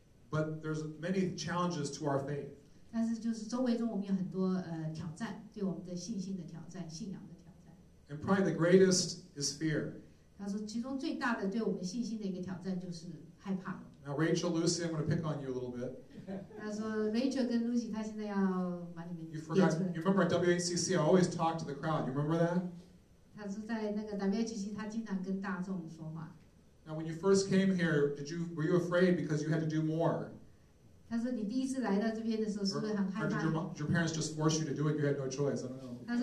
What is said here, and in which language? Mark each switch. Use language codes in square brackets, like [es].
[en] but there's many challenges to our faith. [zh] 但是就是周围中我们有很多挑战，对我们的信心的挑战，信仰的挑战。 [en] And probably the greatest is fear. [zh] 他说其中最大的对我们信心的一个挑战就是害怕。 [en] Now Rachel, Lucy, I'm going to pick on you a little bit. [zh] 他说Rachel跟Lucy，他现在要把你们。 [en] You forgot. You remember at WACC, I always talk to the crowd. You remember that? [zh] 他说在那个WACC，他经常跟大众说话。 [en] Now when you first came here, were you afraid because you had to do more? [zh] 他说你第一次来到这边的时候是不是很害怕？ [en] Your parents just forced you to do it, you had no choice, I don't know.